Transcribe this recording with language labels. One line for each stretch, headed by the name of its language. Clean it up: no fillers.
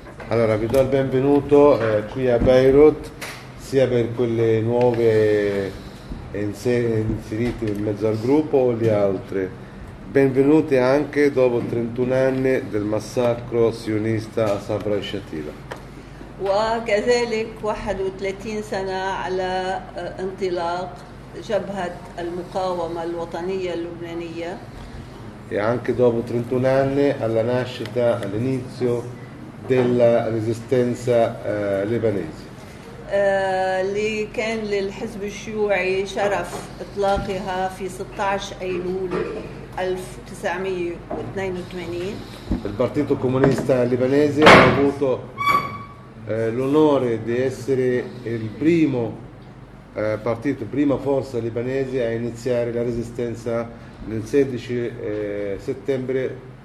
Italian: Allora, vi do il benvenuto qui a Beirut, sia per quelle nuove inserite in mezzo al gruppo o le altre. Benvenute anche dopo 31 anni del massacro sionista a Sabra e Shatila.
Arabic: وكذلك 31 سنة على انطلاق جبهة المقاومة الوطنية اللبنانية.
Italian: E anche dopo 31 anni alla nascita, all'inizio della resistenza libanese.
Arabic: اللي كان للحزب الشيوعي شرف اطلاقها في 16 ايلول 1982.
Italian: Il Partito Comunista Libanese ha avuto l'onore di essere il primo partito, prima forza libanese a iniziare la resistenza nel 16 settembre